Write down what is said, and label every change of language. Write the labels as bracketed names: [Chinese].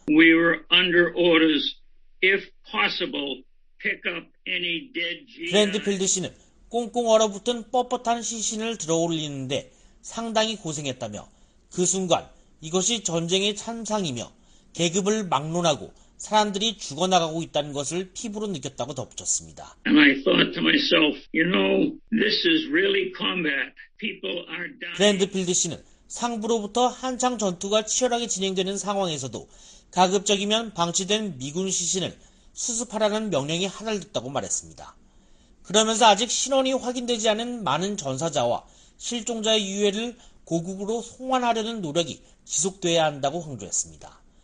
[English] We were under orders, if possible, pick up any dead GI. [Korean] 그랜드필드 씨는 꽁꽁 얼어붙은 뻣뻣한 시신을 들어올리는데 상당히 고생했다며 그 순간 이것이 전쟁의 참상이며 계급을 막론하고 사람들이 죽어나가고 있다는 것을 피부로 느꼈다고 덧붙였습니다. [English] And I thought to myself, you know, this is really combat. People are dying. [Korean] 그랜드필드 씨는 상부로부터 한창 전투가 치열하게 진행되는 상황에서도 가급적이면 방치된 미군 시신을 수습하라는 명령이 하달됐다고 말했습니다. 그러면서 아직 신원이 확인되지 않은 많은 전사자와 실종자의 유해를 고국으로 송환하려는 노력이 지속돼야 한다고 강조했습니다.